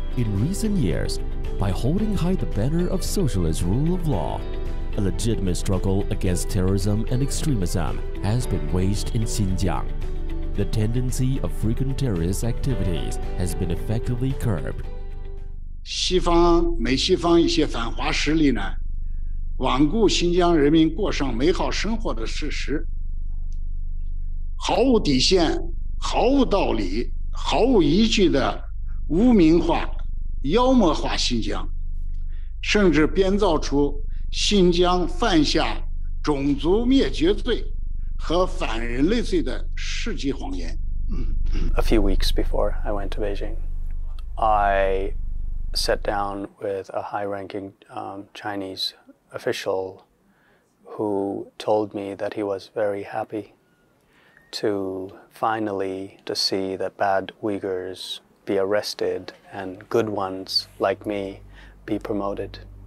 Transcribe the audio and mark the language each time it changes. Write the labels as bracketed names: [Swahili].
[English] In recent years, by holding high the banner of socialist rule of law, a legitimate struggle against terrorism and extremism has been waged in Xinjiang. The tendency of frequent terrorist activities has been effectively curbed. [Chinese] 西方、美西方一些反华势力呢, 罔顾新疆人民过上美好生活的事实, 毫无底线、毫无道理、毫无依据的污名化、妖魔化新疆，甚至编造出新疆犯下种族灭绝罪和反人类罪的世纪谎言。 [English] A few weeks before I went to Beijing, I sat down with a high-ranking Chinese official who told me that he was very happy to finally to see that bad Uyghurs be arrested and good ones like me be promoted.